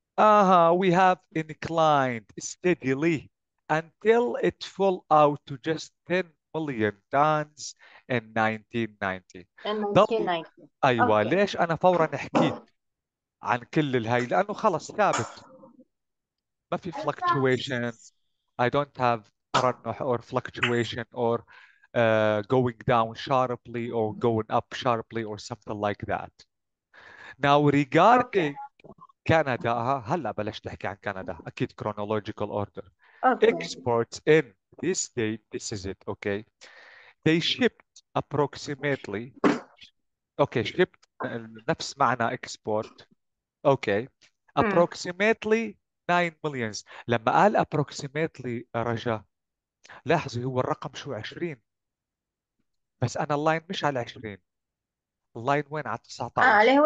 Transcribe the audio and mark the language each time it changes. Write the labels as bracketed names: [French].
[English] أها we have inclined steadily until it fall out to just 10 مليون tons in 1990. [Arabic] ضلوا. 1990 أيوة، اوكي ليش أنا فوراً حكيت عن كل الهاي؟ لأنه خلص ثابت، ما في fluctuation. [English] I don't have ترنح or fluctuation or going down sharply or going up sharply or something like that. Now okay regarding Canada، [Arabic] هلأ بلشت أحكي عن كندا، أكيد [English] chronological order. [Arabic] اوكي [English] Exports in this date, this is it, okay. They shipped approximately, okay, shipped, [Arabic] نفس معنى [English] export. Okay, approximately 9 millions. [Arabic] لما قال approximately رجا، لاحظي هو الرقم شو 20، بس انا اللاين مش على 20، اللاين وين؟ على 19.